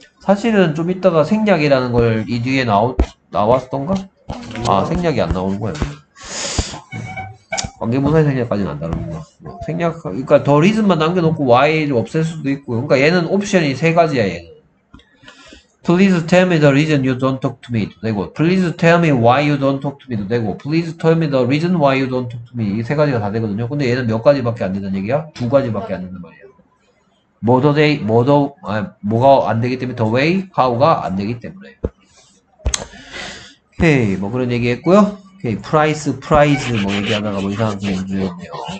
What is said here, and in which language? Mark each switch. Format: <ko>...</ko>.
<ko>사실은 좀 이따가 생략이라는 걸 이 뒤에 나왔던가? 아 생략이 안 나오는 거야. 관계부사의 생략까지는 안 다르구나. 생략, 그러니까 the reason만 남겨놓고 why를 없앨 수도 있고. 그러니까 얘는 옵션이 세 가지야 얘는.</ko> <en>Please tell me the reason you don't talk to me</en> <ko>도 되고</ko> <en>Please tell me why you don't talk to me도 되고 Please tell me the reason why you don't talk to me</en> <ko>이 세 가지가 다 되거든요. 근데 얘는 몇 가지밖에 안 되는 얘기야? 두 가지밖에 안 되는 말이야. 뭐가 안 되기 때문에</ko> <en>the way,</en> <ko>how가 안 되기 때문에. 오케이, 뭐 그런 얘기 했고요. 오케이, price, prize 뭐 얘기하다가 뭐 이상한 게 문제였네요.</ko>